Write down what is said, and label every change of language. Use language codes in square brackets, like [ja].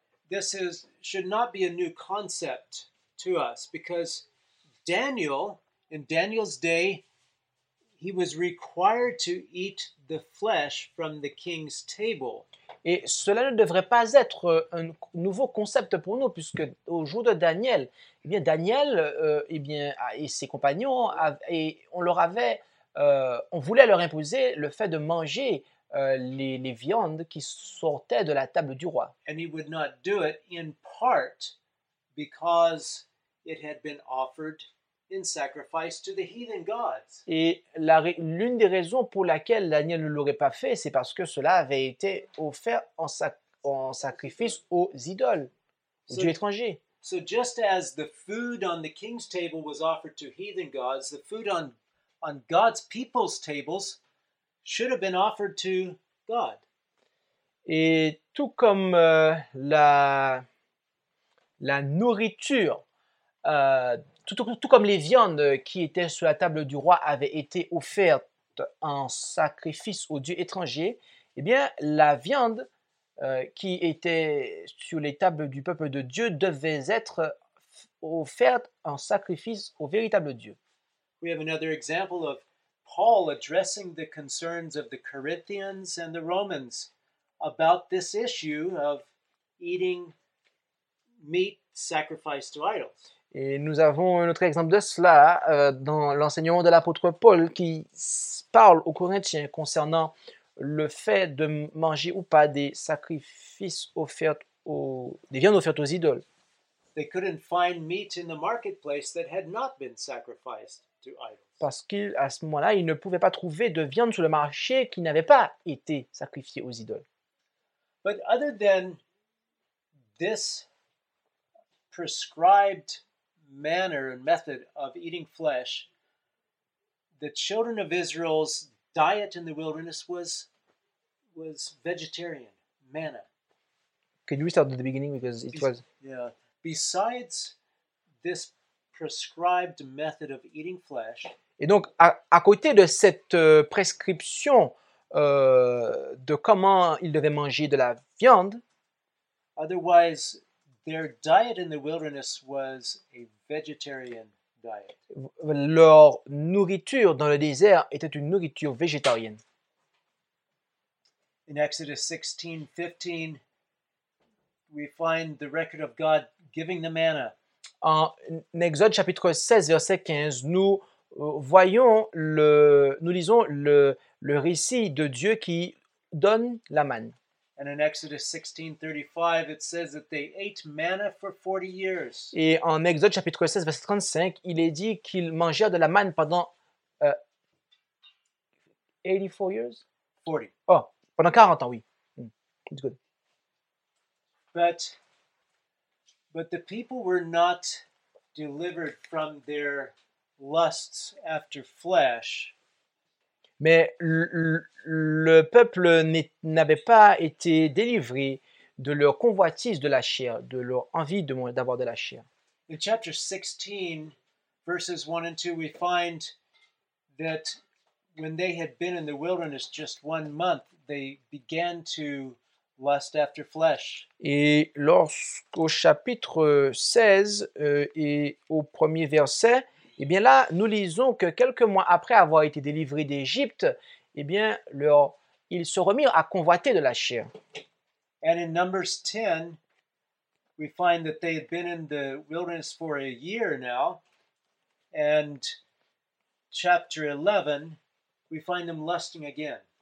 [en] This is should not be a new concept to us because Daniel in Daniel's day he was required to eat the flesh from the king's table. [fr] Et cela ne devrait pas être un nouveau concept pour nous puisque au jour de Daniel, eh bien Daniel et ses compagnons et on leur avait on voulait leur imposer le fait de manger les viandes qui sortaient de la table du roi. [en] And he would not do it in part because it had been offered in sacrifice to the heathen gods. [fr] Et l'une des raisons pour laquelle Daniel ne l'aurait pas fait, c'est parce que cela avait été offert en sacrifice aux idoles, aux dieux étrangers. [en] So just as the food on the king's table was offered to heathen gods, the food on God's people's tables should have been offered to God. [fr] Et tout comme la nourriture, tout comme les viandes qui étaient sur la table du roi avaient été offertes en sacrifice aux dieux étrangers, eh bien, la viande qui était sur les tables du peuple de Dieu devait être offerte en sacrifice au véritable Dieu. [en] We have another example of Paul addressing the concerns of the Corinthians and the Romans about this issue of eating meat sacrificed to idols. [fr] Et nous avons un autre exemple de cela dans l'enseignement de l'apôtre Paul qui parle aux Corinthiens concernant le fait de manger ou pas des sacrifices offerts aux des viandes offertes aux idoles. [en] They couldn't find meat in the marketplace that had not been sacrificed to idols. [fr] Parce qu'à ce moment-là, ils ne pouvaient pas trouver de viande sur le marché qui n'avait pas été sacrifiée aux idoles. [en] But other than this prescribed manner and method of eating flesh, the children of Israel's diet in the wilderness was vegetarian, manna. Can you restart at the beginning because it was... Yeah. Besides this prescribed method of eating flesh... [fr] Et donc, à côté de cette prescription de comment ils devaient manger de la viande, [en] otherwise, their diet in the wilderness was a vegetarian diet. [fr] Leur nourriture dans le désert était une nourriture végétarienne. [en] In Exodus 16:15, we find the record of God giving the manna. [fr] En Exode chapitre 16 verset 15, nous lisons le récit de Dieu qui donne la manne. [en] And in Exodus 16:35, it says that they ate manna for 40 years. [fr] Et en Exode chapitre 16 verset 35, il est dit qu'ils mangèrent de la manne pendant 84 [en] years? 40. [fr] Oh, pendant 40 ans, oui. [en] It's good. But the people were not delivered from their lusts after flesh. [fr] Mais le peuple n'avait pas été délivré de leur convoitise de la chair, de leur envie d'avoir de la chair. [en] In chapter 16, verses 1 and 2, we find that when they had been in the wilderness just 1 month, they began to lust after flesh. [fr] Et lorsqu'au chapitre 16 et au premier verset, eh bien là, nous lisons que quelques mois après avoir été délivrés d'Égypte, eh bien, ils se remirent à convoiter de la chair. [en] And in Numbers 10, we find that they had been in the wilderness for a year now. And chapter 11, we find them lusting again.